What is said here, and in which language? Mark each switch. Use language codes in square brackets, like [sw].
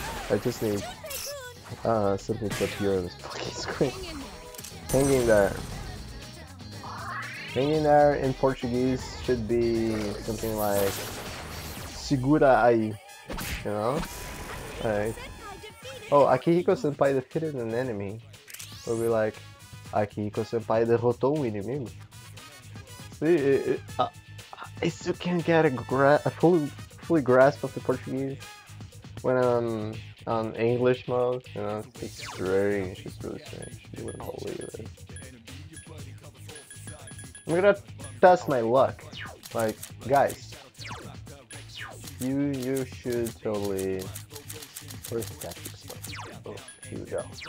[en] I just need something to appear on this fucking screen. Hanging there. Hanging there in Portuguese should be something like [pt] Segura aí, [en] you know? Alright. Oh, Akihiko-senpai defeated an enemy. We'll be like, Akihiko-senpai [pt] derrotou um inimigo. [en] See, I still can't get a full grasp of the Portuguese when I'm on English mode, you know? It's strange, it's really strange. You wouldn't believe it. I'm gonna test my luck. Like, guys, you should totally. Where's the tactics? Oh, here we go.